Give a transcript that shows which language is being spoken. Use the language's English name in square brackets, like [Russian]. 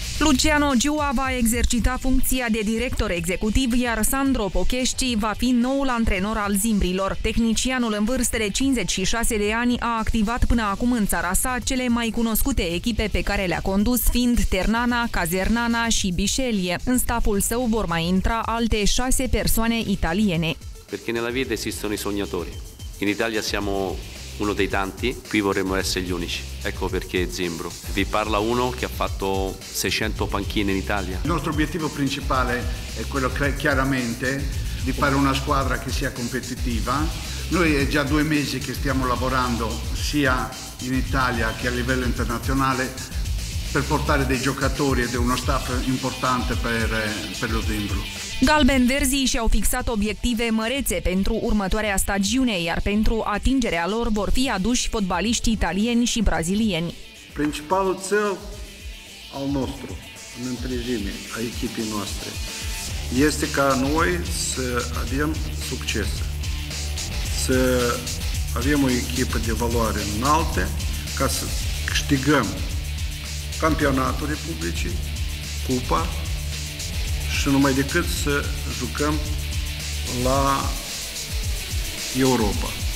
[Romanian] Luciano Giua va exercita funcția de director executiv, iar Sandro Pocheschi va fi noul antrenor al Zimbrilor. Tehnicianul în vârstă de 56 de ani a activat până acum în țara sa cele mai cunoscute echipe pe care le-a condus, fiind Ternana, Cazernana și Bișelie. În staful său vor mai intra alte 6 persoane italiene. [Italian] Perché nella vita esistono i sognatori. In Italia siamo uno dei tanti, qui vorremmo essere gli unici. Ecco perché Zimbro. Vi parla uno che ha fatto 600 panchine in Italia. Il nostro obiettivo principale è quello chiaramente di fare una squadra che sia competitiva. Noi è già 2 mesi che stiamo lavorando sia in Italia che a livello internazionale per portare dei giocatori ed è uno staff importante per lo Zimbro. [Romanian] Galbenverzii și-au fixat obiective mărețe pentru următoarea stagiune, iar pentru atingerea lor vor fi aduși fotbaliști italieni și brazilieni. Principalul țel al nostru, în întregime, a echipei noastre, este ca noi să avem succes, să avem o echipă de valoare înaltă, ca să câștigăm campionatul Republicii, Cupa, și numai decât să jucăm la Europa.